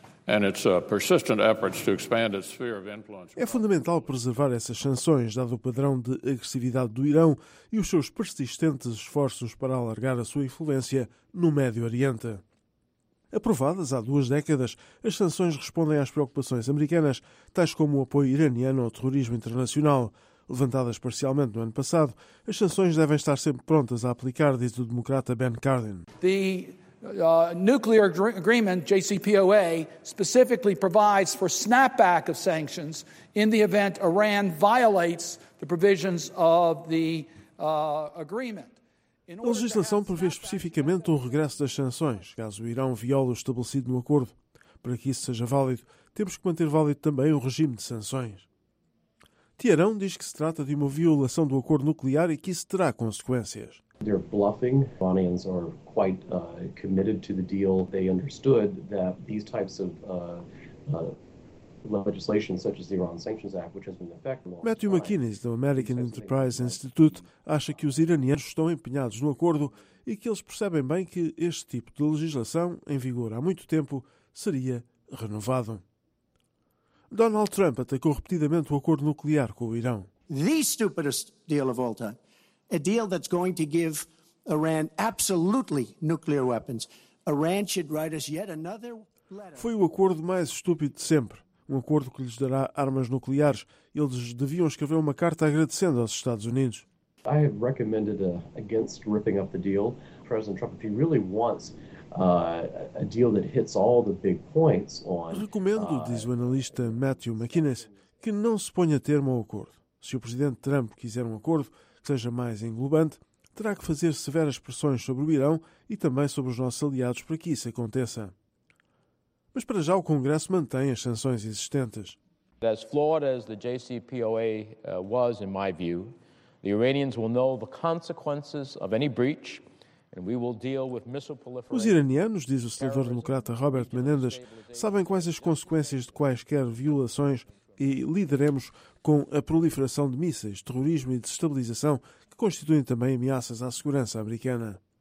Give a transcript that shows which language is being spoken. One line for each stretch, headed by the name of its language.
Portuguese: É fundamental preservar essas sanções, dado o padrão de agressividade do Irão e os seus persistentes esforços para alargar a sua influência no Médio Oriente. Aprovadas há duas décadas, as sanções respondem às preocupações americanas, tais como o apoio iraniano ao terrorismo internacional. Levantadas parcialmente no ano passado, as sanções devem estar sempre prontas a aplicar, diz o democrata Ben Cardin.
English: Nuclear agreement JCPOA specifically provides for snapback of sanctions in the event Iran violates the provisions of the agreement.
Portuguese: A legislação prevê especificamente o regresso das sanções caso o Irão viole o estabelecido no acordo. Para que isso seja válido, temos que manter válido também o regime de sanções. Teherão diz que se trata de uma violação do acordo nuclear e que isso terá consequências.
English: They're bluffing. Iranians are quite committed to the deal. They understood that these types of legislation, such as the Iran Sanctions Act, which has been effective.
Portuguese: Matthew McKinney, do American Enterprise Institute, acha que os iranianos estão empenhados no acordo e que eles percebem bem que este tipo de legislação, em vigor há muito tempo, seria renovado. Donald Trump atacou repetidamente o acordo nuclear com o Irã.
English: The stupidest deal of all time. A deal that's going to give Iran absolutely nuclear weapons. Iran should write us yet another letter.
Portuguese: Foi o acordo mais estúpido de sempre. Um acordo que lhes dará armas nucleares. Eles deviam escrever uma carta agradecendo aos Estados Unidos.
English: I have recommended against ripping up the deal. President Trump, if he really wants a deal that hits all the big points on...
Portuguese: Recomendo, diz o analista Matthew McInnes, que não se ponha a termo ao acordo. Se o presidente Trump quiser um acordo que seja mais englobante, terá que fazer severas pressões sobre o Irão e também sobre os nossos aliados para que isso aconteça. Mas para já o Congresso mantém as sanções existentes.
English: As flawed as the JCPOA was, in my view, the Iranians will know the consequences of any breach.
Portuguese: Os iranianos, diz o senador democrata Robert Menendez, sabem quais as consequências de quaisquer violações e lidaremos com a proliferação de mísseis, terrorismo e desestabilização, que constituem também ameaças à segurança americana.